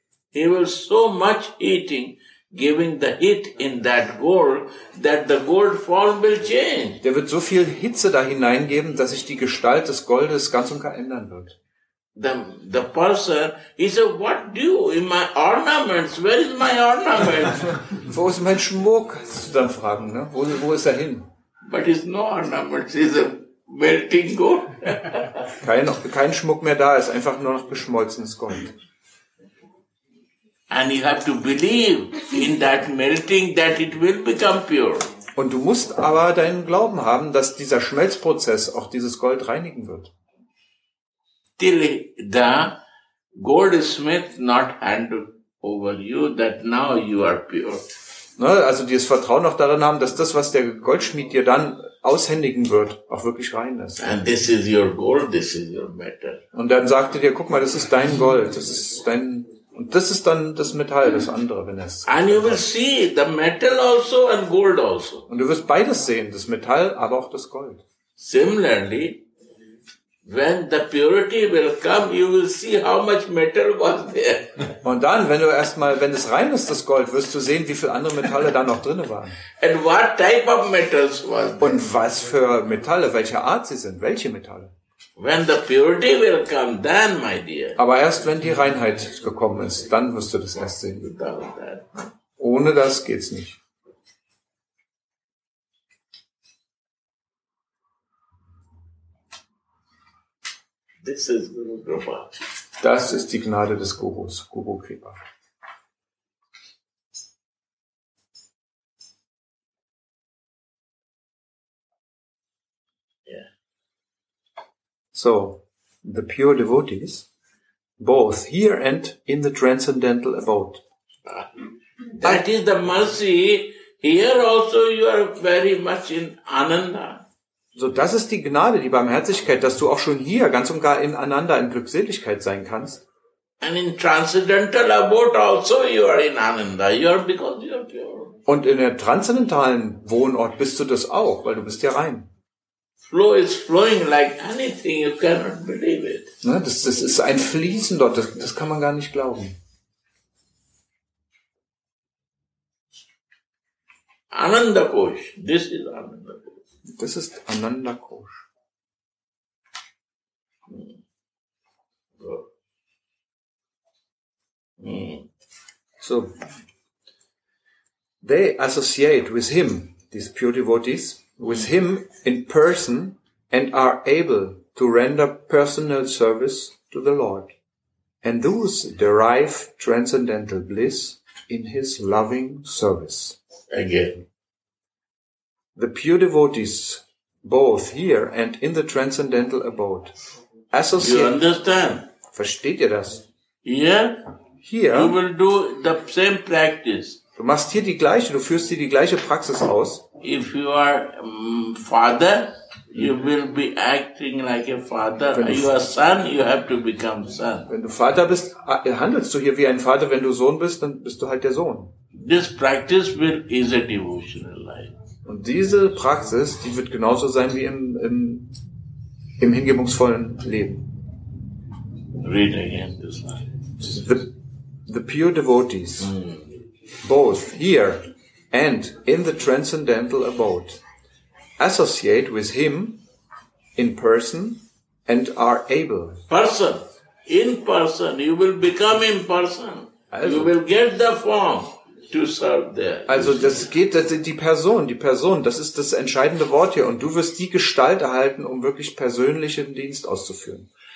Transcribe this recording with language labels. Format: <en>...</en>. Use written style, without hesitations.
<en>He will so much heating, giving the heat in that gold, that the gold form will change.</en> <de>Der wird so viel Hitze da hineingeben, dass sich die Gestalt des Goldes ganz und gar ändern wird.</de> <en>The person, he said, what do you in my ornaments? Where is my ornaments?</en> <de>Wo ist mein Schmuck? Kannst du dann fragen, ne? Wo ist er hin?</de> <en>But it's no ornaments, it's a melting gold.</en> <de>kein Schmuck mehr da, ist einfach nur noch geschmolzenes Gold.</de> <en>And you have to believe in that melting that it will become pure.</en> <de>Und du musst aber deinen Glauben haben, dass dieser Schmelzprozess auch dieses Gold reinigen wird.</de> <en>Till the goldsmith not hand over you that now you are pure.</en> <de>Ne, also die das Vertrauen noch darin haben, dass das, was der Goldschmied dir dann aushändigen wird, auch wirklich rein ist.</de> <en>And this is your gold, this is your metal.</en> <de>Und dann sagt er dir, guck mal, das ist dein Gold, das ist dein, und das ist dann das Metall, das andere, wenn es.</de> <en>And you will see the metal also and gold also.</en> <de>Und du wirst beides sehen, das Metall, aber auch das Gold.</de> <en>Similarly, when the purity will come, you will see how much metal was there.</en> <de>Und dann, wenn du erstmal, wenn es rein ist, das Gold, wirst du sehen, wie viel andere Metalle da noch drinne waren.</de> <en>And what type of metals was there?</en> <de>Und was für Metalle, welche Art sie sind, welche Metalle?</de> <en>When the purity will come, then, my dear.</en> <de>Aber erst wenn die Reinheit gekommen ist, dann wirst du das erst sehen. Ohne das geht's nicht.</de> <en>This is Guru Kripa.</en> <de>Das ist die Gnade des Gurus, Guru Kripa.</de> <en>So, the pure devotees, both here and in the transcendental abode. That is the mercy. Here also you are very much in Ananda.</en> <de>So, das ist die Gnade, die Barmherzigkeit, dass du auch schon hier ganz und gar in Ananda, in Glückseligkeit sein kannst.</de> <en>And in transcendental abode also you are in Ananda. You are because you are pure.</en> <de>Und in der transzendentalen Wohnort bist du das auch, weil du bist ja rein.</de> <en>Flow is flowing like anything, you cannot believe it.</en> <de>Na, das ist ein Fließen dort, das kann man gar nicht glauben.</de> <en>Ananda Kosh, this is Ananda Kosh.</en> <de>Das ist Ananda Kosh.</de> <en>So, they associate with him, these pure devotees, with him in person and are able to render personal service to the Lord. And those derive transcendental bliss in his loving service. Again. The pure devotees, both here and in the transcendental abode, associate... You understand?</en> <de>Versteht ihr das?</de> <en>Here, you will do the same practice.</en> <de>Du machst hier die gleiche, du führst hier die gleiche Praxis aus.</de> <en>If you are father, you will be acting like a father. You are son, you have to become son.</en> <de>Wenn du Vater bist, handelst du hier wie ein Vater. Wenn du Sohn bist, dann bist du halt der Sohn.</de> <en>This practice will is a devotional life.</en> <de>Und diese Praxis, die wird genauso sein wie im hingebungsvollen Leben.</de> <en>Read again this line. The pure devotees. Mm. Both here and in the transcendental abode, associate with him in person and are able. Person. In person. You will become in person. Also, you will get the form to serve there.</en> <de>Also das geht, das ist die Person. Die Person, das ist das entscheidende Wort hier. Und du wirst die Gestalt erhalten, um wirklich persönlichen Dienst auszuführen.</de>